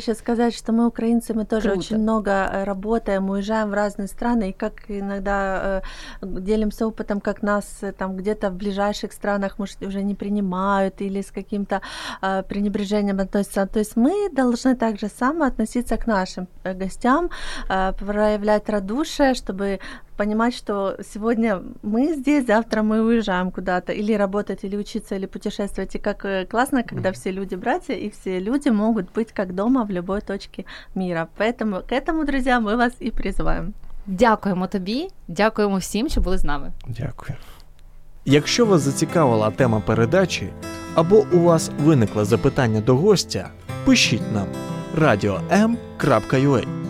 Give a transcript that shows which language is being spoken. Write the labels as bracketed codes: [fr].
[uk] ще сказати, що ми українцями теж дуже багато працюємо, уїжджаємо в різні країни, і як іноді ділимося опитом, як нас там [ru] где-то в ближайших [uk] країнах, може, вже не приймають, або з яким-то пренебреженням відносяться. Тобто ми повинні так же само відноситися к нашим гостям, проявляти радушие, щоб... [ru] понимать, что сегодня мы здесь, завтра мы уезжаем куда-то, или работать, или учиться, или путешествовать. И как классно, когда все люди братья, и все люди могут быть как дома в любой точке мира. Поэтому к этому, друзья, мы вас и призываем. [uk] Дякуємо тобі, дякуємо всім, що були з нами. Дякую. Якщо вас зацікавила тема передачі, або у вас виникло запитання до гостя, пишіть нам radio.m.ua.